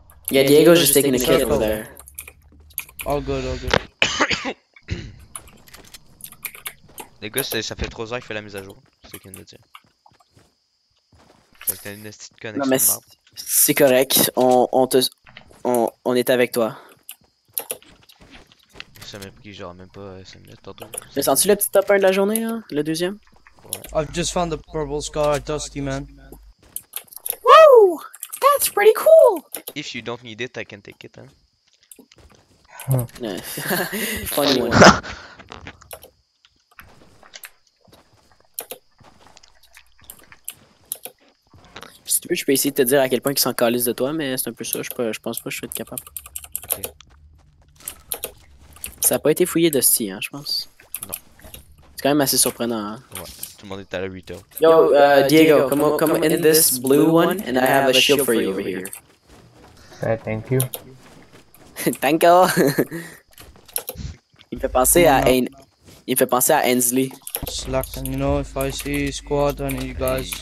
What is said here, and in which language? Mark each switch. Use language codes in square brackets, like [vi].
[en] Yeah, Diego's just taking a kill over there. All good, all good. [fr] Les gars, c'est, ça fait 3 heures qu'il fait la mise à jour, c'est qu'il nous dit. Fait que t'as une petite connexion. Non, mais c'est correct, on est avec toi. Ça m'a pris genre même pas 5 minutes, pardon. Mais sens-tu le petit top 1 de la journée là, le deuxième? Ouais. [en] I've just found the purple scar at Dusty, man. Woo! That's pretty cool! If you don't need it, I can take it, hein. Nice. Funny one. [fr] Si tu veux, je peux essayer de te dire à quel point ils s'en calissent de toi, mais c'est un peu ça, je pense pas que je vais être capable. Okay. Ça a pas été fouillé de Dusty, hein, je pense. Non. C'est quand même assez surprenant, hein. Ouais, tout le monde est à la 8 heures. [en] Yo, Diego, come in this blue one, and I have a shield for you over here. Hey, thank you. Thank you! [fr] Il me fait penser à Ain. Il me fait penser à Ainsley. [en] Slack, and you know, if I see squad, I need you guys.